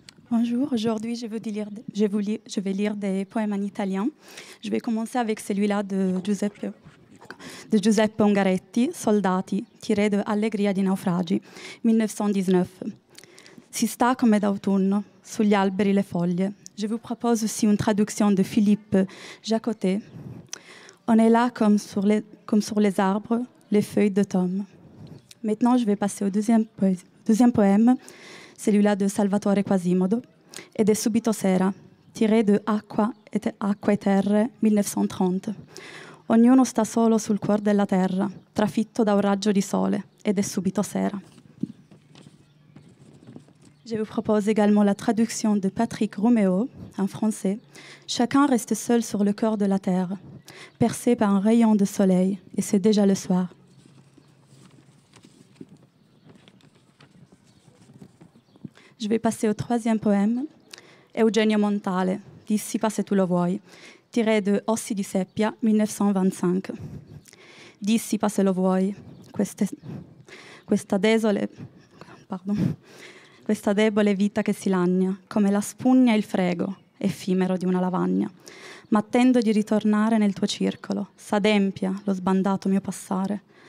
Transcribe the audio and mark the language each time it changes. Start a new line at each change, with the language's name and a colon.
French: Bonjour, aujourd'hui je vais lire des poèmes en italien. Je vais commencer avec celui-là de Giuseppe Ungaretti, Soldati, tiré de Allegria di naufragi, 1919.
Italian: Si sta come d'autunno, sugli alberi le foglie.
French: Je vous propose aussi une traduction de Philippe Jacotet. On est là comme sur les arbres, les feuilles d'automne. Maintenant, je vais passer au deuxième poème. Celui-là de Salvatore Quasimodo, ed è subito sera, tiré de Acqua e Terre, 1930.
Italian: Ognuno sta solo sul cuor della terra, trafitto da un raggio di sole, ed è subito sera.
French: Je vous propose également la traduction de Patrick Roméo, en français. Chacun reste seul sur le cœur de la terre, percé par un rayon de soleil, et c'est déjà le soir. Je vais passer au troisième poème, Eugenio Montale, Dissipa se tu lo vuoi, tiré de Ossi di Seppia, 1925.
Italian: Dissipa se lo vuoi, questa debole vita che si lagna, come la spugna e il frego, effimero di una lavagna. Ma attendo di ritornare nel tuo circolo, s'adempia lo sbandato mio passare.